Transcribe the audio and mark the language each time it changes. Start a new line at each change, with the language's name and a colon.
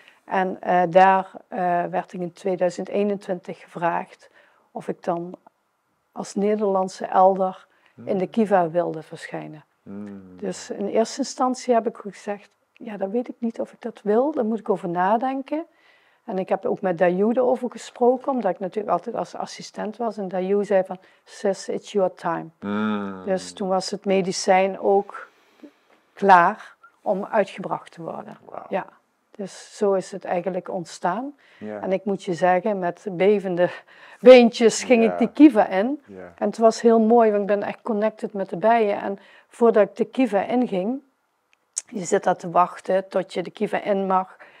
Dutch: En daar werd ik in 2021 gevraagd of ik dan als Nederlandse elder in de kiva wilde verschijnen. Dus in eerste instantie heb ik gezegd, ja, dan weet ik niet of ik dat wil. Daar moet ik over nadenken. En ik heb ook met Dayu erover gesproken, omdat ik natuurlijk altijd als assistent was. En Dayu zei van,
English: sis, it's your time. Mm.
Dutch: Dus toen was het medicijn ook klaar om uitgebracht te worden. Wow. Ja, dus zo is het eigenlijk ontstaan. Yeah. En ik moet je zeggen, met bevende beentjes ging ik de kiva in. Yeah. En het was heel mooi, want ik ben echt connected met de bijen. En voordat ik de kiva inging, je zit daar te wachten tot je de kiva in mag.